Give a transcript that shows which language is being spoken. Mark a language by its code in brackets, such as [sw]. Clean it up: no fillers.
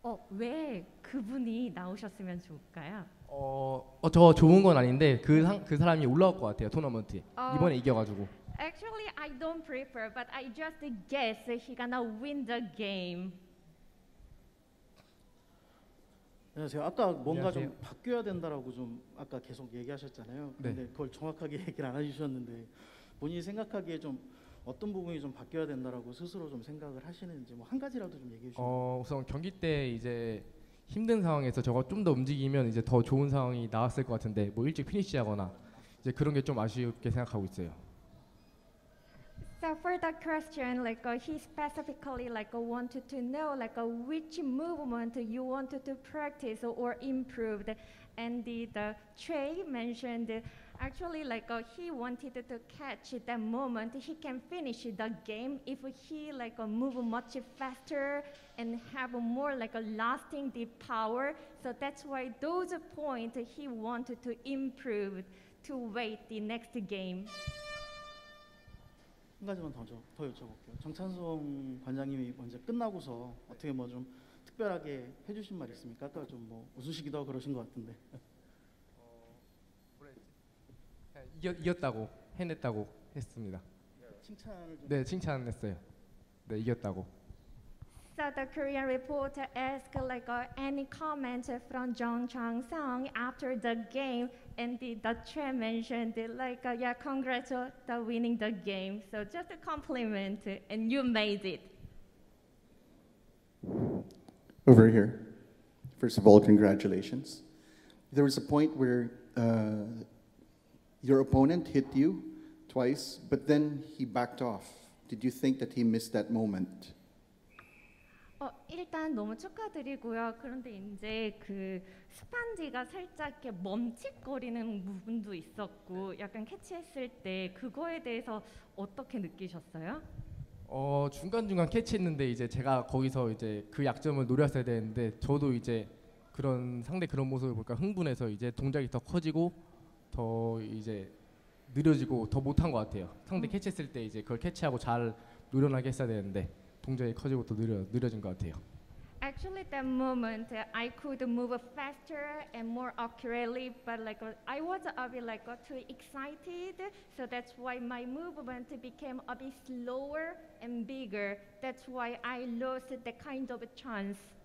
[ko] 왜 그분이 나오셨으면 좋을까요? 더 좋은 건 아닌데 그 사람이 올라올 것 같아요 토너먼트 이번에 이겨가지고. [en] Actually, I don't prefer, but I just guess he gonna win the game. [ko] 안녕하세요. 아까 뭔가 안녕하세요. 좀 바뀌어야 된다라고 좀 아까 계속 얘기하셨잖아요. 근데 네. 그걸 정확하게 얘기를 안 해주셨는데 본인이 생각하기에 좀 어떤 부분이 좀 바뀌어야 된다라고 스스로 좀 생각을 하시는지 뭐 한 가지라도 좀 얘기해 주시면. 우선 경기 때 이제 힘든 상황에서 저가 좀 더 움직이면 이제 더 좋은 상황이 나왔을 것 같은데 뭐 일찍 피니시하거나 이제 그런 게 좀 아쉽게 생각하고 있어요. [en] So for that question, like he specifically like wanted to know like which movement you wanted to practice or improve. And the Choi mentioned actually like he wanted to catch the moment he can finish the game if he like move much faster and have more like a lasting deep power. So that's why those points he wanted to improve to wait the next game. [ko] 한 가지만 더 여쭤볼게요. 정찬성 관장님이 먼저 끝나고서 어떻게 뭐 좀 특별하게 해주신 말 있습니까? 아까 좀 뭐 웃으시기도 하고 그러신 것 같은데. 이겼다고 해냈다고 했습니다. 칭찬을 좀. 네, 칭찬했어요. 네, 이겼다고. [en] So the Korean reporter asked like any comment from Jung Chang-sung after the game, and the Choi mentioned like yeah, congrats on winning the game. So just a compliment, and you made it. Over here. First of all, congratulations. There was a point where your opponent hit you twice, but then he backed off. Did you think that he missed that moment? [ko] 일단 너무 축하드리고요. 그런데 이제 그 스판지가 살짝 이렇게 멈칫거리는 부분도 있었고 약간 캐치했을 때 그거에 대해서 어떻게 느끼셨어요? 중간중간 캐치했는데 이제 제가 거기서 이제 그 약점을 노렸어야 되는데 저도 이제 그런 상대 그런 모습을 보니까 흥분해서 이제 동작이 더 커지고 더 이제 느려지고 더 못한 것 같아요. 상대 캐치했을 때 이제 그걸 캐치하고 잘 노련하게 했어야 되는데 동작이 커지고 더 느려진 것 같아요. [en] Actually, that moment I could move faster and more accurately, but like I was a bit like too excited, so that's why my movement became a bit slower and bigger. That's why I lost the kind of chance.